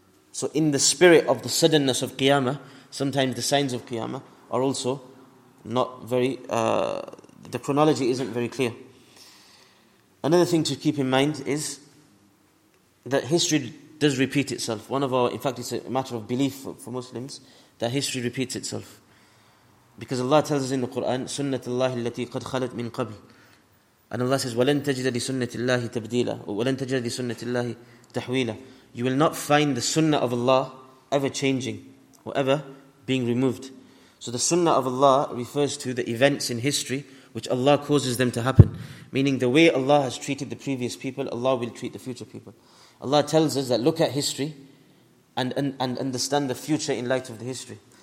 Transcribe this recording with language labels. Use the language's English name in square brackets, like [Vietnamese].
[English] So in the spirit of the suddenness of Qiyamah, sometimes the signs of Qiyamah are also not very, the chronology isn't very clear. Another thing to keep in mind is that history does repeat itself. One of our, in fact, it's a matter of belief for Muslims, that history repeats itself. Because Allah tells us in the Quran, [Arabic] سُنَّةَ اللَّهِ الَّتِي قَدْ خَلَتْ مِنْ قَبْلِ. [English] And Allah says, [Arabic] وَلَن تَجِدَ لِسُنَّةِ اللَّهِ تَبْدِيلًا وَلَن تَجِدَ لِسُنَّةِ اللَّهِ تَحْوِيلًا. [English] You will not find the sunnah of Allah ever changing or ever being removed. So the sunnah of Allah refers to the events in history which Allah causes them to happen. Meaning the way Allah has treated the previous people, Allah will treat the future people. Allah tells us that look at history and understand the future in light of the history.